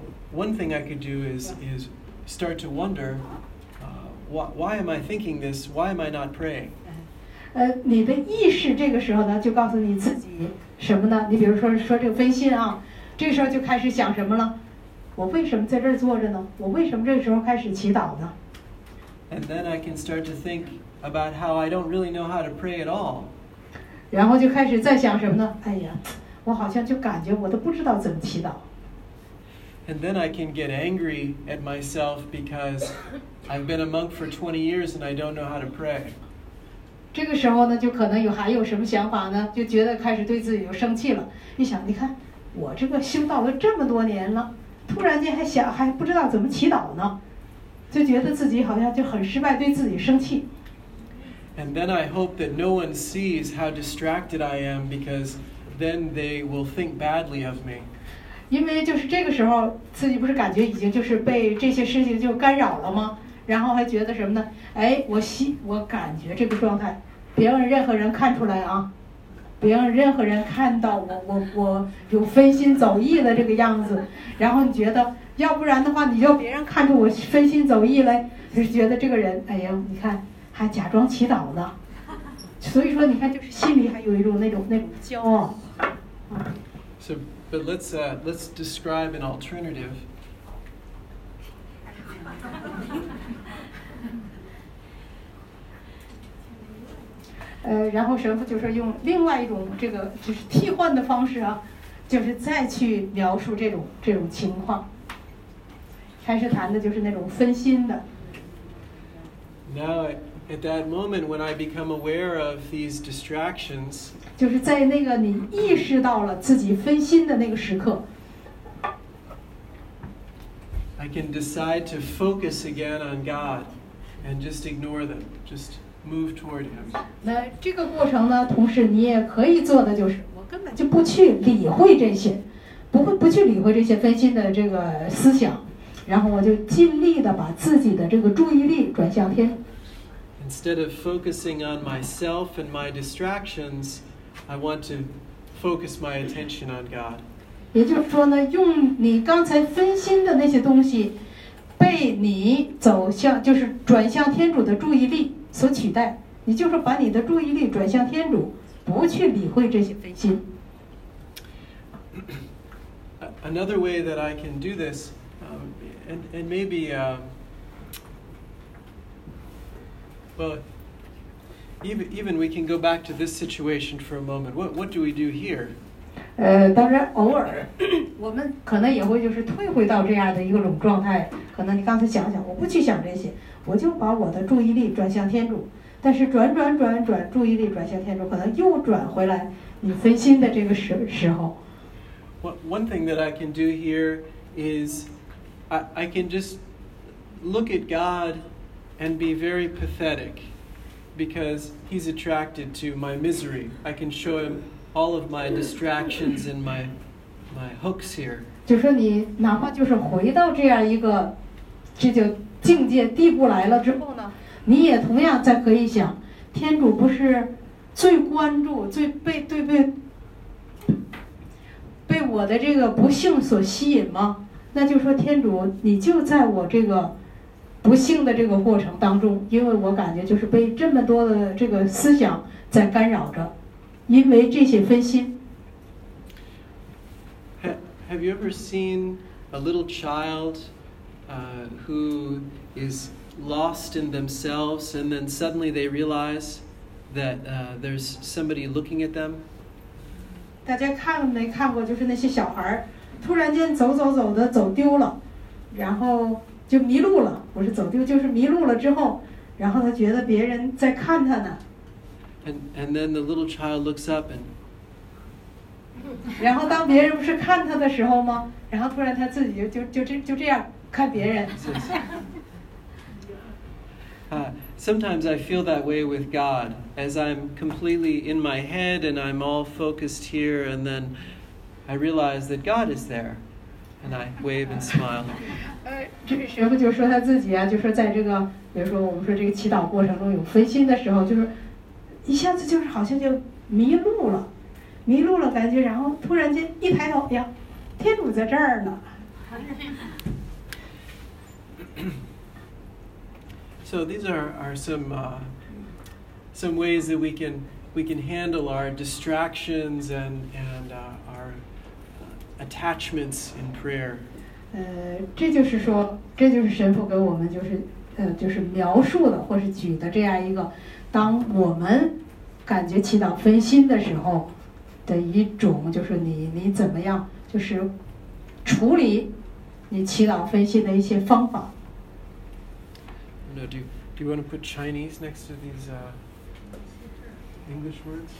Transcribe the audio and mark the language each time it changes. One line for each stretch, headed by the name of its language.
English: One thing I could do is start to wonder, why am I thinking this? Why am I not praying?
Chinese: 你的意识这个时候呢，就告诉你自己什么呢？你比如说这个分心啊，这个时候就开始想什么了？我为什么在这儿坐着呢？我为什么这个时候开始祈祷呢？
English: And then I can start to think about how I don't really know how to pray at all.
Chinese: 然后就开始再想什么呢？哎呀，我好像就感觉我都不知道怎么祈祷。
English: And then I can get angry at myself because I've been a monk for 20 years and I don't know how to pray.
Chinese: 这个时候呢，就可能有还有什么想法呢？就觉得开始对自己又生气了。一想，你看我这个修道了这么多年了，突然间还不知道怎么祈祷呢。就觉得自己好像就很失败，对自己生气。
English: And then I hope that no one sees how distracted I am, because then they will think badly of me.
Chinese: 因为就是这个时候，自己不是感觉已经就是被这些事情就干扰了吗？然后还觉得什么呢？哎，我感觉这个状态，别让任何人看出来啊，别让任何人看到我有分心走意的这个样子。然后你觉得，要不然的话，你就别人看出我分心走意来，就是觉得这个人，哎呀，你看。还假装祈祷呢，所以说你看，就是心里还有一种那种骄傲。
English: So, but let's describe an alternative.
Chinese: 然后神父就是用另外一种这个就是替换的方式啊，就是再去描述这种情况。开始谈的就是那种分心的。
English: Now. At that moment, when I become aware of these distractions,
Chinese: 就是在那个你意识到了自己分心的那个时刻
English: I can decide to focus again on God and just ignore them, just move toward Him.
Chinese: 那这个过程呢，同时你也可以做的就是，我根本就不去理会这些，不去理会这些分心的这个思想，然后我就尽力的把自己的这个注意力转向天。
English: Instead of focusing on myself and my distractions, I want to focus my attention on God.
Chinese: 也就是说呢，用你刚才分心的那些东西，被你走向就是转向天主的注意力所取代。也就是把你的注意力转向天主，不去理会这些分心。
English: Another way that I can do this, and maybe. Well, even we can go back to this situation for a moment. What do we do here?
Chinese: 当然偶尔我们可能也会就是退回到这样的一个种状态。可能你刚才想想，我不去想这些，我就把我的注意力转向天主。但是转注意力转向天主，可能又转回来你分心的这个时候。
English: One thing that I can do here is I can just look at God. And be very pathetic, because he's attracted to my misery. I can show him all of my distractions and my hooks here.
Chinese: 就说你哪怕就是回到这样一个这就境界地步来了之后呢，你也同样再可以想，天主不是最关注、最被对被我的这个不幸所吸引吗？那就说天主，你就在我这个。不幸的这个过程当中，因为我感觉就是被这么多的这个思想在干扰着，因为这些分心。
English: Have you ever seen a little child, who is lost in themselves, and then suddenly they realize that there's somebody looking at them?
Chinese: 大家看没看过，就是那些小孩突然间走的走丢了，然后。就迷路了，不是走丢，就是迷路了之后，然后他觉得别人在看他呢。
English: And then the little child looks up and.
Chinese: 然后当别人不是看他的时候吗？然后突然他自己就这样看别人。
English: Sometimes I feel that way with God, as I'm completely in my head and I'm all focused here, and then I realize that God is there, and I wave and smile.
Chinese: 这神父就说他自己啊，就是在这个，比如说我们说这个祈祷过程中有分心的时候，就是一下子就是好像就迷路了感觉，然后突然间一抬头，哎呀，天主在这儿呢。
English: So these are some ways that we can handle our distractions and our attachments in prayer.
Chinese: 这就是说，这就是神父给我们就是描述的或是举的这样一个，当我们感觉祈祷分心的时候的一种，就是你怎么样就是处理你祈祷分心的一些方法。
English: No, do you want to put Chinese next to these English words?